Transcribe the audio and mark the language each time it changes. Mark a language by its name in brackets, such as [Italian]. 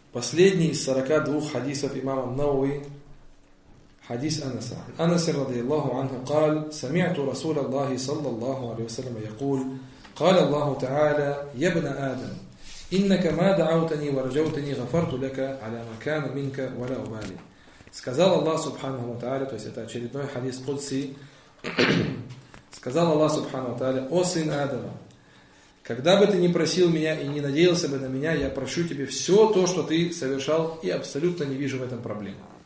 [Russian] Последний из 42 хадисов имама Ан-Науи, хадис Анаса. Анас радиаллаху анху [Arabic] قال: سمعت رسول الله صلى الله عليه وسلم يقول: قال الله تعالى: يا ابن آدم إنك ما دعوتني ورجوتني غفرت لك على ما كان منك ولا أبالي. [Russian] Сказал Аллах Субханаху ва Тааля, то есть это очередной хадис Кудси, сказал Аллах Субханаху ва Тааля: о сын Адама, когда бы ты ни просил меня и не надеялся бы на меня, я прощу тебе все то, что ты совершал, и абсолютно не вижу в этом проблемы.